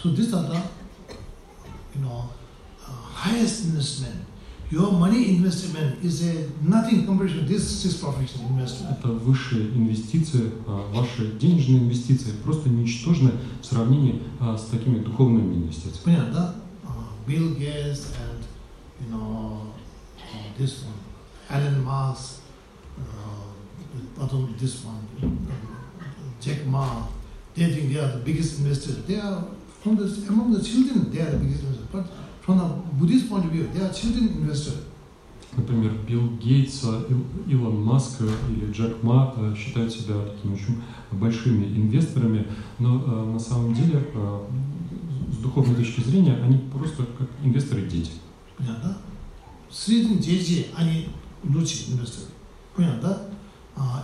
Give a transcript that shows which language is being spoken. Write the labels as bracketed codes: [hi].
[en] So these are the, you know, highest investment. Your money investment is a nothing compared to this six perfection investment. [ru] Это высшие инвестиции, ваши денежные инвестиции просто ничтожны в сравнении с такими духовными инвестициями. Понятно, да? [en] Bill Gates and, you know, this one, Elon Musk, [ru] потом [en] this one, Jack Ma. They think they are the biggest investors. They are from the among the children. They are the biggest investors. But from a Buddhist point of view, they are children investors. [ru] Например, Билл Гейтс, Илон Маск или Джек Ма считают себя такими очень большими инвесторами, но на самом деле с духовной точки зрения они просто как инвесторы дети. Понятно, да? Среди детей они лучшие инвесторы. Понятно, да?